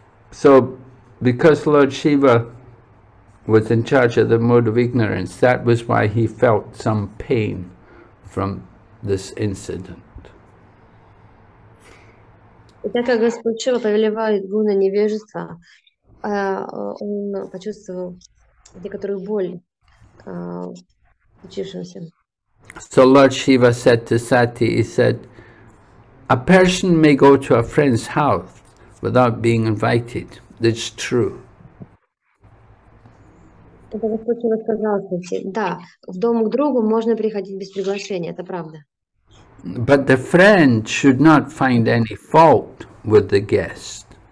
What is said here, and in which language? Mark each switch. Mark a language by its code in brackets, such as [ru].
[en] So, because Lord Shiva was in charge of the mode of ignorance, that was why he felt some pain from this incident. [ru] Так как Господь Шива повелевает гуна невежества, он почувствовал некоторую боль, случившуюся. [en] So Lord Shiva said to Sati, he said, a person may go to a friend's house without being invited. It's true. [ru] Это Господь Шива сказал, Сати, да, в дом к другу можно приходить без приглашения, это правда. [en] But the friend should not find any fault with the guest.